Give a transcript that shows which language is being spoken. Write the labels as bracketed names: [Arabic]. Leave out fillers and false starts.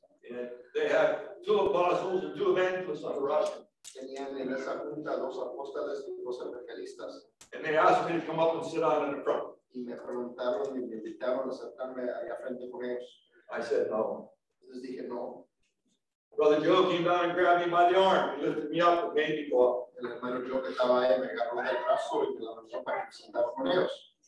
[English] And they had two apostles and two evangelists on the roster. And they asked me to come up and sit down in the front. [Spanish] Y me preguntaron y me invitaron a sentarme allá frente con ellos. [English] I said no. [Spanish] Entonces dije no. [English] Brother Joe came down and grabbed me by the arm. He lifted me up and made me go up. [Spanish] El hermano Joe que estaba ahí me agarró del brazo y me levantó para que me sentara con ellos.